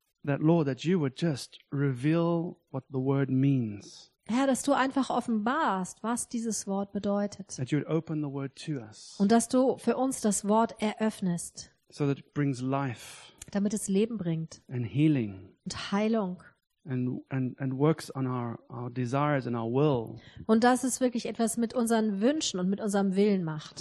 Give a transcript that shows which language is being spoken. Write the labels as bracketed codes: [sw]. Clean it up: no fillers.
[en] That Lord, that you would just reveal what the word means. [de] Herr, dass du einfach offenbarst, was dieses Wort bedeutet. [en] That you would open the word to us. [de] Und dass du für uns das Wort eröffnest. [en] So that it brings life. [de] Damit es Leben bringt. [en] And healing. [de] Und Heilung. [en] And works on our desires and our will. [de] Und dass es wirklich etwas mit unseren Wünschen und mit unserem Willen macht.